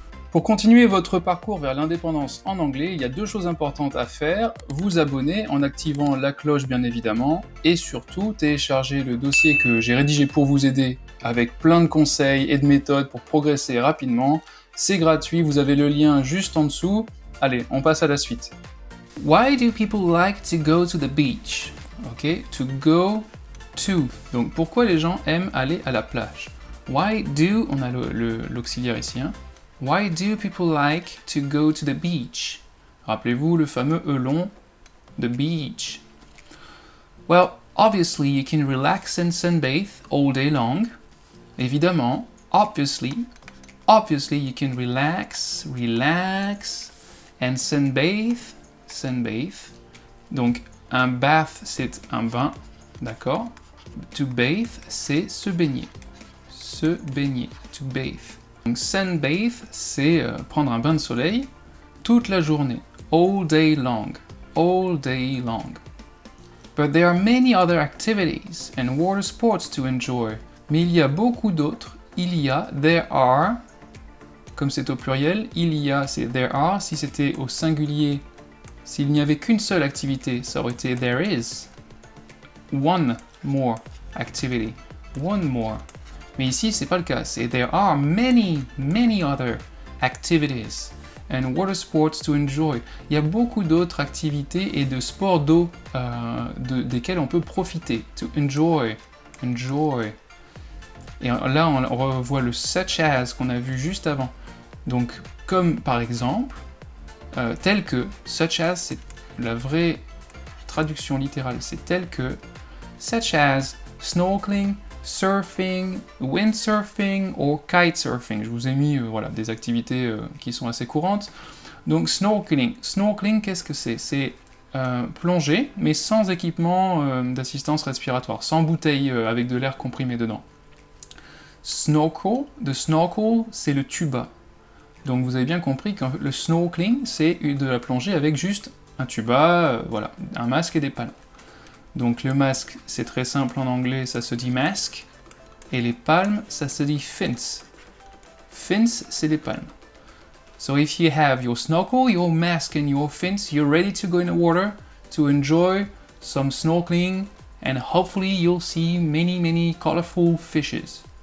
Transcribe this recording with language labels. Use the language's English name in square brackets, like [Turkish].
[French] Pour continuer votre parcours vers l'indépendance en anglais, il y a deux choses importantes à faire. Vous abonner en activant la cloche, bien évidemment, et surtout télécharger le dossier que j'ai rédigé pour vous aider, avec plein de conseils et de méthodes pour progresser rapidement. C'est gratuit, vous avez le lien juste en dessous. Allez, on passe à la suite. [English] Why do people like to go to the beach? Ok, to go to. [French] Donc, pourquoi les gens aiment aller à la plage? [English] Why do, [French] on a l'auxiliaire ici, hein. [English] Why do people like to go to the beach? [French] Rappelez-vous le fameux E long, [English] the beach. Well, obviously, you can relax and sunbathe all day long. Évidemment, obviously, you can relax. And sunbathe. [French] Donc, un bath, c'est un bain, d'accord? To bathe, c'est se baigner, to bathe. Donc, sunbathe, c'est prendre un bain de soleil toute la journée, all day long. [English] But there are many other activities and water sports to enjoy. [French] Mais il y a beaucoup d'autres, [English] there are... [French] Comme c'est au pluriel, il y a, c'est there are. Si c'était au singulier, s'il n'y avait qu'une seule activité, ça aurait été [English] there is. One more activity. One more. [French] Mais ici, c'est pas le cas. [English] C'est there are many other activities and water sports to enjoy. [French] Il y a beaucoup d'autres activités et de sports d'eau desquels on peut profiter. [English] To enjoy. [French] Et là, on revoit le such as qu'on a vu juste avant. Donc, comme par exemple, tel que, [English] such as, c'est la vraie traduction littérale, c'est tel que, such as snorkeling, surfing, windsurfing or kitesurfing. [French] Je vous ai mis voilà, des activités qui sont assez courantes. Donc, snorkeling. Snorkeling, qu'est-ce que c'est? C'est plonger, mais sans équipement d'assistance respiratoire, sans bouteille avec de l'air comprimé dedans. Snorkel, the snorkel, c'est le tuba. Donc vous avez bien compris que le snorkeling, c'est de la plongée avec juste un tuba, voilà, un masque et des palans. Donc le masque, c'est très simple en anglais, ça se dit mask. Et les palmes, ça se dit fins. Fins, c'est des palmes. [English] So if you have your snorkel, your mask and your fins, you're ready to go in the water to enjoy some snorkeling and hopefully you'll see many, many colorful fishes.